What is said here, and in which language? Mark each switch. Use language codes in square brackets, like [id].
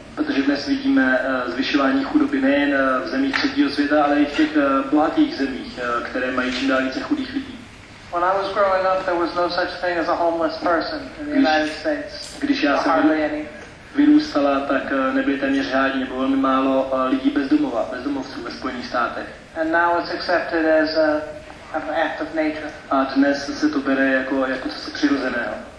[cs] Protože dnes vidíme zvyšování chudoby nejen v zemích třetího světa, ale i v těch bohatých zemích, které mají čím dál více chudých lidí. [en] When I was growing up, there was no such thing as a homeless person in the United States. [cs] Když já jsem vyrůstala, tak nebyly téměř žádní, nebo velmi málo lidí bezdomova, bezdomovců ve Spojených státech. [en] And now it's accepted as an act of nature. [cs] A dnes se to bere jako cosi přirozeného.